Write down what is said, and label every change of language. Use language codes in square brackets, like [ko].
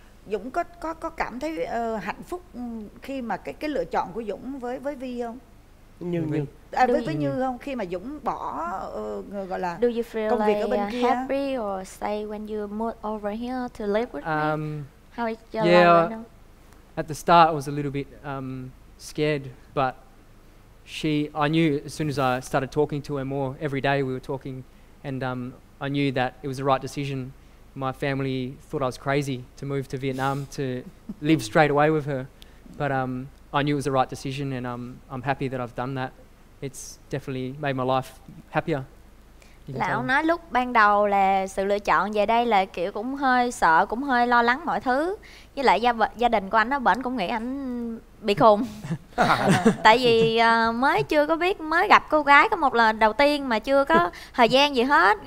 [vi] Dũng có cảm thấy hạnh phúc khi mà cái lựa chọn của Dũng với Vi không? Như không, khi mà Dũng bỏ gọi là công việc like ở bên kia. [en] Happy or say when you move over here to live with me? How is your life right now? At the start, I was a little bit scared, but I knew as soon as I started talking to her more every day, we were talking, and I knew that it was the right decision. My family thought I was crazy to move to Vietnam to live straight away with her, but I knew it was the right decision, and I'm happy that I've done that. It's definitely made my life happier. [vi] Là ông nói lúc ban đầu là sự lựa chọn về đây là kiểu cũng hơi sợ, cũng hơi lo lắng mọi thứ. Với lại gia đình của anh ở bển cũng nghĩ anh bị khùng. Tại vì mới chưa có biết, mới gặp cô gái có một lần đầu tiên mà chưa có thời gian gì hết.